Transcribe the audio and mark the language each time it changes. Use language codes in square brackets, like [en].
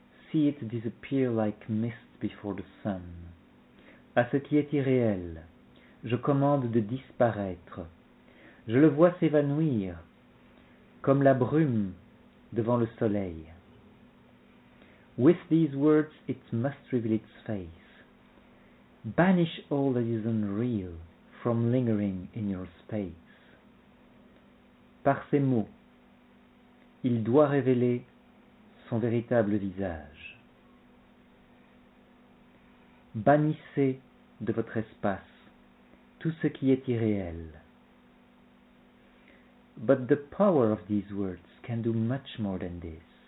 [en] See it disappear like mist before the sun. [fr] À ce qui est irréel, je commande de disparaître. Je le vois s'évanouir, comme la brume devant le soleil. [en] With these words, it must reveal its face. Banish all that is unreal from lingering in your space. [fr] Par ces mots, il doit révéler son véritable visage. Bannissez de votre espace tout ce qui est irréel. [en] But the power of these words can do much more than this.